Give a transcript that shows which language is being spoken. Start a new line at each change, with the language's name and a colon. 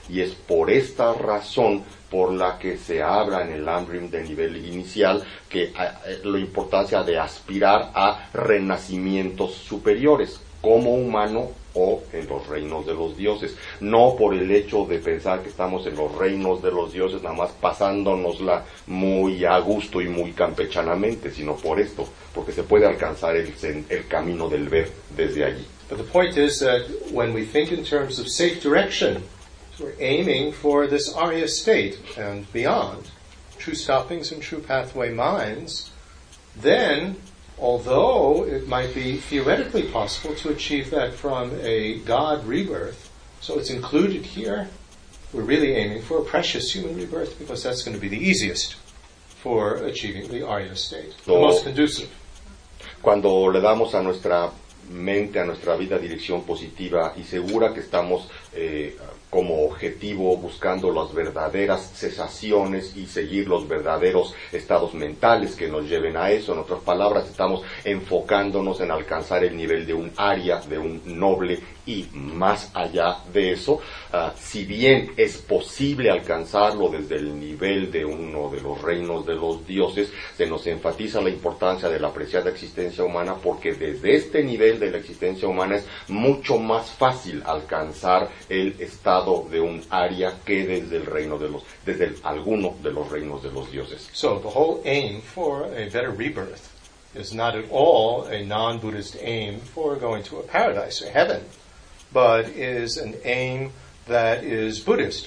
Spanish: Y es por esta razón por la que se habla en el lam-rim de nivel inicial que la importancia de aspirar a renacimientos superiores como humano o en los reinos de los dioses. No por el hecho de pensar que estamos en los reinos de los dioses nada más pasándonosla muy a gusto y muy campechanamente, sino por esto, porque se puede alcanzar el camino del ver desde allí.
English: But the point is that when we think in terms of safe direction, we're aiming for this Arya state and beyond, true stoppings and true pathway minds, then, although it might be theoretically possible to achieve that from a God rebirth, so it's included here, we're really aiming for a precious human rebirth, because that's going to be the easiest for achieving the Arya state, the most conducive.
Spanish: Cuando le damos a nuestra mente, a nuestra vida, dirección positiva y segura, que estamos como objetivo buscando las verdaderas cesaciones y seguir los verdaderos estados mentales que nos lleven a eso. En otras palabras, estamos enfocándonos en alcanzar el nivel de un Arya, de un noble, y más allá de eso. Si bien es posible alcanzarlo desde el nivel de uno de los reinos de los dioses, se nos enfatiza la importancia de la apreciada existencia humana, porque desde este nivel de la existencia humana es mucho más fácil alcanzar el estado de un Arya que desde el reino de los desde el, alguno de los reinos de los dioses.
English: So the whole aim for a better rebirth is not at all a non-Buddhist aim for going to a paradise or heaven, but is an aim that is Buddhist.